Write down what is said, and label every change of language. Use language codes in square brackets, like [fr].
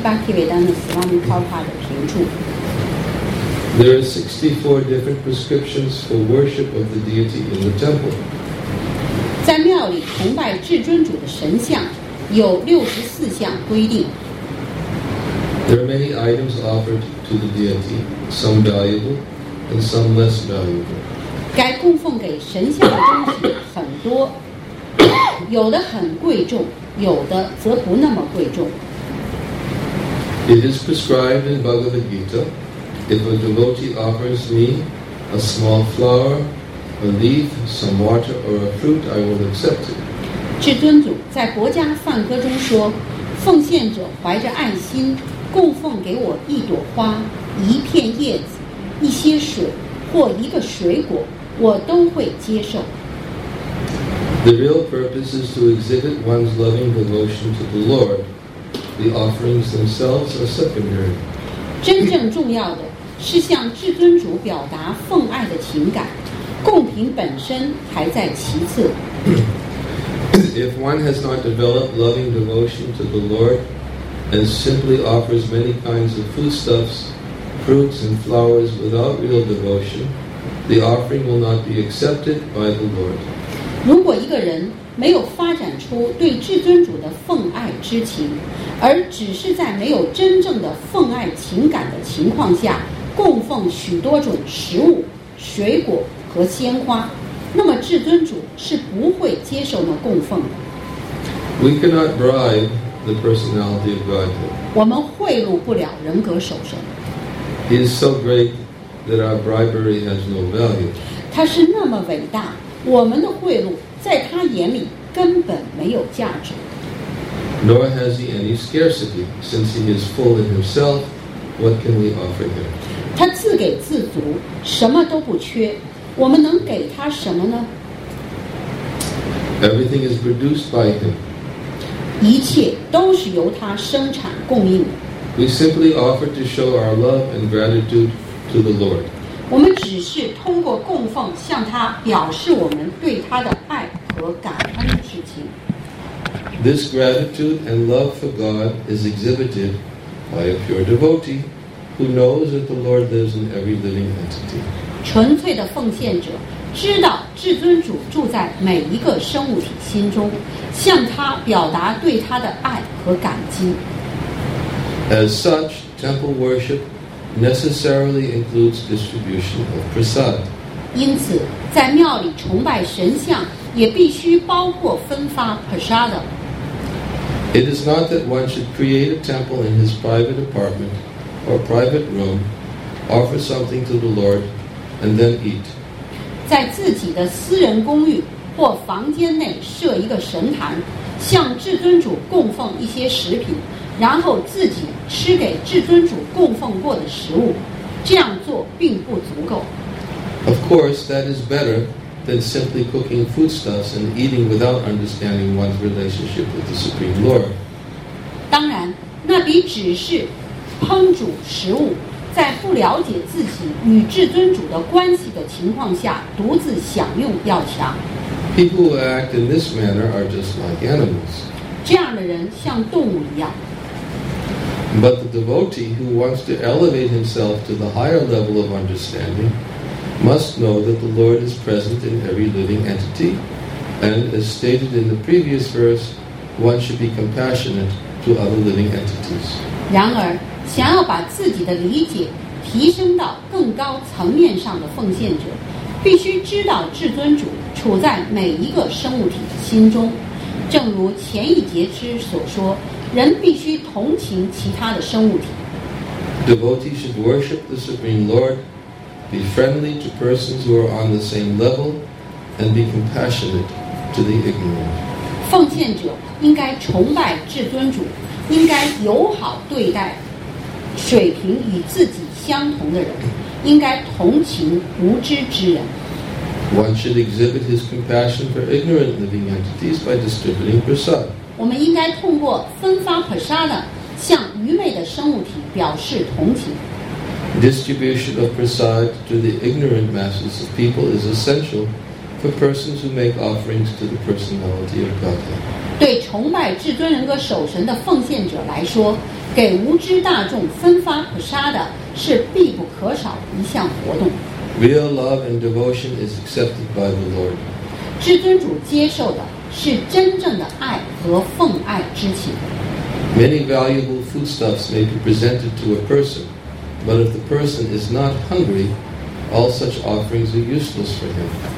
[zh] 巴提韦丹的斯瓦米帕帕的评注。 [en] There are 64 different prescriptions for worship of the deity in the temple. [zh] 在庙里崇拜至尊主的神像有64项规定。 [en] There are many items offered to the deity, some valuable and some less valuable. [zh] 该供奉给神像的东西很多，有的很贵重。有的则不那么贵重。 [en] It is prescribed in Bhagavad Gita, if a devotee offers me a small flower, a leaf, some water, or a fruit, I will accept it. [zh] 至尊主在国家梵歌中说，奉献者怀着爱心，供奉给我一朵花、一片叶子、一些水或一个水果，我都会接受。 [en] The real purpose is to exhibit one's loving devotion to the Lord. The offerings themselves are secondary. [zh] 真正重要的是向至尊主表达奉爱的情感，贡品本身排在其次。 [en] If one has not developed loving devotion to the Lord and simply offers many kinds of foodstuffs, fruits and flowers without real devotion, the offering will not be accepted by the Lord. [zh] 如果一个人没有发展出对至尊主的奉爱之情，而只是在没有真正的奉爱情感的情况下供奉许多种食物水果和鲜花，那么至尊主是不会接受那供奉的。 [en] We cannot bribe the personality of Godhead. [zh] 我们贿赂不了人格守神。 [en] He is so great that our bribery has no value. [zh] 他是那么伟大，我们的贿赂在他眼里根本没有价值。 [en] Nor has he any scarcity, since he is full in himself. What can we offer him? [zh] 他自给自足，什么都不缺，我们能给他什么呢？ [en] Everything is produced by him. [zh] 一切都是由他生产供应的。 [en] We simply offer to show our love and gratitude to the Lord. [zh] 我们只是通过供奉向他表示我们对他的爱和感恩的事情。 [en] This gratitude and love for God is exhibited by a pure devotee who knows that the Lord lives in every living entity. [zh] 纯粹的奉献者知道至尊主住在每一个生物体心中，向他表达对他的爱和感激。 [en] As such, temple worship necessarily includes distribution of prasad. [zh] 因此，在庙里崇拜神像也必须包括分发 prasad。 [en] It is not that one should create a temple in his private apartment or private room, offer something to the Lord, and then eat. [zh] 在自己的私人公寓或房间内设一个神坛，向至尊主供奉一些食品，然后自己吃给至尊主供奉过的食物，这样做并不足够。 [en] Of course, that is better than simply cooking foodstuffs and eating without understanding one's relationship with the Supreme Lord. [zh] 当然，那比只是烹煮食物，在不了解自己与至尊主的关系的情况下独自享用要强。 [en] People who act in this manner are just like animals. [zh] 这样的人像动物一样。 [en] But the devotee who wants to elevate himself to the higher level of understanding must know that the Lord is present in every living entity, and as stated in the previous verse, one should be compassionate to other living entities. [zh] 然而，想要把自己的理解提升到更高层面上的奉献者，必须知道至尊主处在每一个生物体的心中。正如前一节之所说，人必须同情其他的生物体。 [en] Devotees should worship the Supreme Lord, be friendly to persons who are on the same level, and be compassionate to the ignorant. [zh] 奉献者应该崇拜至尊主，应该友好对待水平与自己相同的人，应该同情无知之人。 [en] One should exhibit his compassion for ignorant living entities by distributing prasad. [zh] 我们应该通过分发 prasad 向愚昧的生物体表示同情。 [en] Distribution of prasad to the ignorant masses of people is essential for persons who make offerings to the personality of Godhead. [zh] 对崇拜至尊人格守神的奉献者来说，给无知大众分发普沙的是必不可少一项活动。 [en] Real love and devotion is accepted by the Lord. [zh] 至尊主接受的是真正的爱和奉爱之情。 [en] Many valuable foodstuffs may be presented to a person, but if the person is not hungry, all such offerings are useless for him.